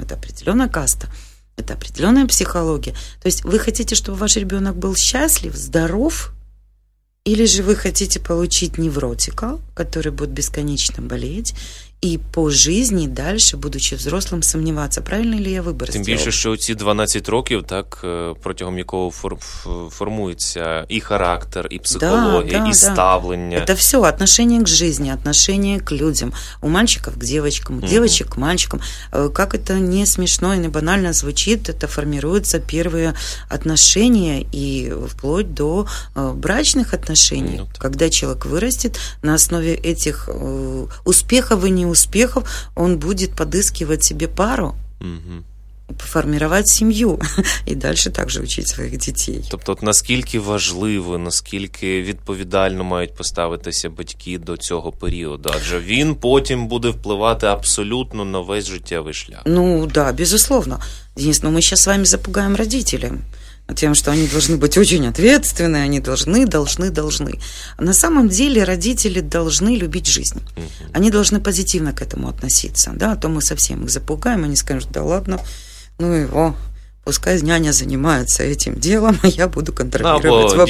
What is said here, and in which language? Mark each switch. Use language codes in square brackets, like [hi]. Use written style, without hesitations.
[ru] Это определенная каста, это определенная психология. То есть вы хотите, чтобы ваш ребенок был счастлив, здоров, или же вы хотите получить невротика, который будет бесконечно болеть, и по жизни дальше, будучи взрослым, сомневаться, правильно ли я выбор сделав. [uk] Тим більше, що ці 12 років, так, протягом якого формується і характер, і психологія, [ru] да, [uk] і ставлення. [ru] Это все, отношение к жизни, отношение к людям. У мальчиков к девочкам, у девочек к мальчикам. Как это не смешно и не банально звучит, это формируются первые отношения и вплоть до брачных отношений. Когда человек вырастет, на основе этих успехов и неуспехов, он будет подыскивать себе пару, формировать [uk] сім'ю і далі також вчити своїх дітей. Тобто, наскільки важливо, наскільки відповідально мають поставитися батьки до цього періоду? Адже він потім буде впливати абсолютно на весь життєвий шлях. [ru] Ну, да, безусловно. Денис, [uk] ну ми зараз з вами запугаємо [ru] родителям тем, что они должны быть очень ответственны, они должны, должны, должны. На самом деле родители должны любить жизнь. Они должны позитивно к этому относиться. Да? А то мы совсем их запугаем, они скажут, да ладно, ну его, пускай няня занимается этим делом, а я буду контролировать вопрос.